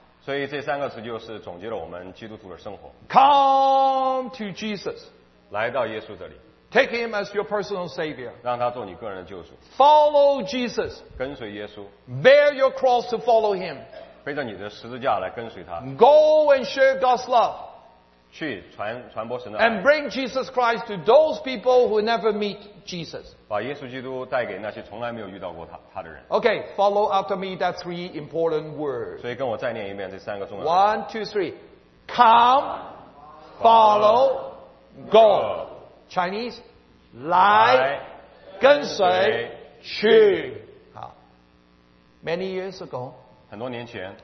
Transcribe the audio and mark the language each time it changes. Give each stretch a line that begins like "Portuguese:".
Chinese: 所以这三个词就是总结了我们基督徒的生活
English: come to Jesus
Chinese: 来到耶稣这里
English: take him as your personal savior
Chinese: 让他做你个人的救赎
English: follow Jesus
Chinese: 跟随耶稣
English: bear your cross to follow him
Chinese: 背着你的十字架来跟随他
English: go and share God's love
Chinese: 去传播神的爱
English: and bring Jesus Christ to those people who never meet Jesus.
Chinese: 把耶稣基督带给那些从来没有遇到过 他的人。
English: Okay, follow after me that three important words.
Chinese: 所以跟我再念一遍这三个重要
English: 的。One, two, three. Come, follow, go.
Chinese: Chinese, 来跟随去。好。
English: Many years ago,
Chinese: 很多年前